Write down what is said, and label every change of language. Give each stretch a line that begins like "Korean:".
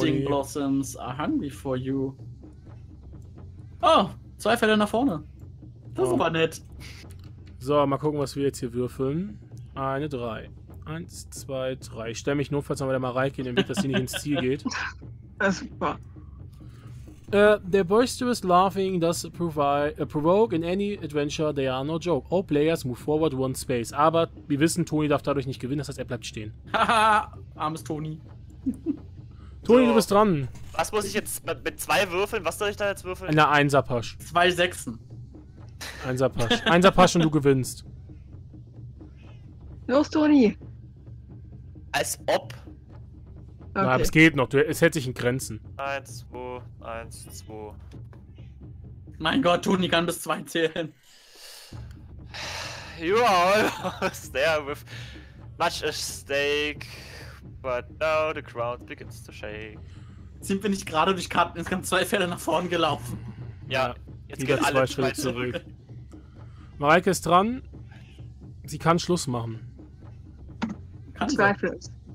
English: Eating blossoms are hungry for you.
German: Oh, 2 Felder nach vorne. Das ist aber nett. So, mal gucken, was wir jetzt hier würfeln. Eine 3. 1, 2, 3. Ich stelle mich notfalls noch mal der Mareike in den Weg, dass sie nicht ins Ziel geht. Das ist super.
English: Their boisterous laughing does provoke in any adventure, they are no joke. All players move forward one space.
German: Aber wir wissen, Toni darf dadurch nicht gewinnen, das heißt, er bleibt stehen. Haha, armes Toni. Toni, so, du bist dran. Was muss ich jetzt mit zwei würfeln? Was soll ich da jetzt würfeln? Eine Einserpasch. Zwei Sechsen. Einserpasch. Einserpasch und du gewinnst. Los, Toni. Als ob. Okay. Nein, aber es geht noch. Es hält sich in Grenzen. 1, 2, 1, 2. Mein Gott, Toni kann bis 2 zählen.
English: You are almost there with much a stake. But now the crowd begins to shake.
German: Sind wir nicht gerade durch Karten ins ganz zwei Felder nach vorne gelaufen? Ja, jetzt geht alle zwei Schritte zurück. Mareike ist dran. Sie kann Schluss machen. Kann zwei Schritte.